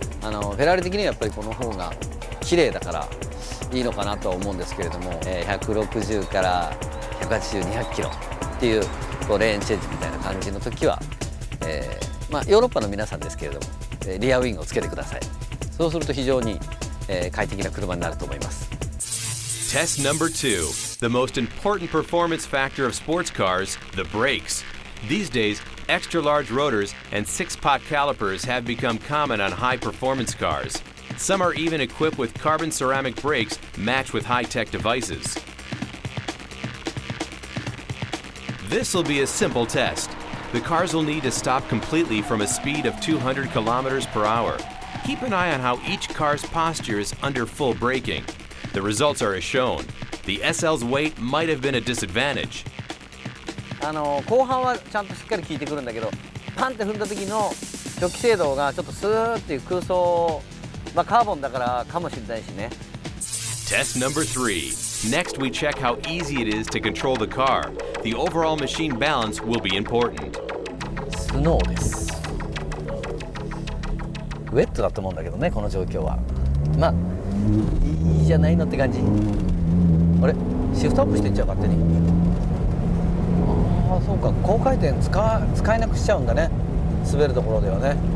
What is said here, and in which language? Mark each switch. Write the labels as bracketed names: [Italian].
[Japanese] フェラーリ的にはやっぱりこの方が綺麗だからいいのかなと思うんですけれども、160から180-200キロっていう、こうレーンチェンジみたいな感じの時は、ヨーロッパの皆さんですけれども、リアウィングをつけてください。そうすると非常に、快適な車になると思います。 [English] Test number 2. The most important performance factor of sports cars, the brakes. These days, extra large rotors and 6-pot calipers have become common on high performance cars. Some are even equipped with carbon ceramic brakes matched with high-tech devices. This will be a simple test. The cars will need to stop completely from a speed of 200 kilometers per hour. Keep an eye on how each car's posture is under full braking. The results are as shown. The SL's weight might have been a disadvantage. [Japanese] 後半はちゃんとしっかり効いてくるんだけど、パンって踏んだ時の初期制動がちょっとスーッていう空想カーボンだからかもしれないしね。 [English] Test number 3. Next we check how easy it is to control the car. The overall machine balance will be important. [Japanese] スノーです。ウェットだと思うんだけどね、この状況は。まあいいじゃないのって感じ。あれ、シフトアップしていっちゃう勝手に。ああ、そうか、高回転使えなくしちゃうんだね、滑るところではね。